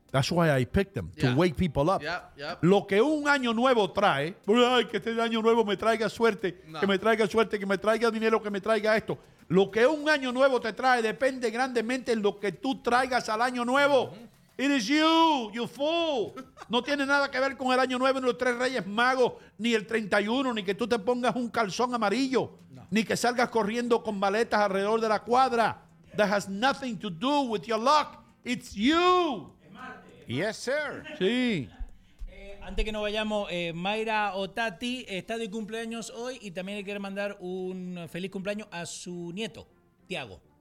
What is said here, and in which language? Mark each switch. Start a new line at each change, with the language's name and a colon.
English: That's why I picked them, to wake people up. Yep, yep.
Spanish: Lo que un año nuevo trae, ay, que este año nuevo me traiga suerte, no. que me traiga suerte, que me traiga dinero, que me traiga esto. Lo que un año nuevo te trae depende grandemente en lo que tú traigas al año nuevo. Mm-hmm.
English: It is you fool.
Spanish: No tiene nada que ver con el año nuevo, ni los tres reyes magos, ni el 31, ni que tú te pongas un calzón amarillo, no. ni que salgas corriendo con maletas alrededor de la cuadra.
English: That has nothing to do with your luck. It's you. Marte. Yes, sir.
Spanish: Sí. Antes que nos vayamos, Mayra Otati está de cumpleaños hoy y también le quiere mandar un feliz cumpleaños a su nieto, Tiago.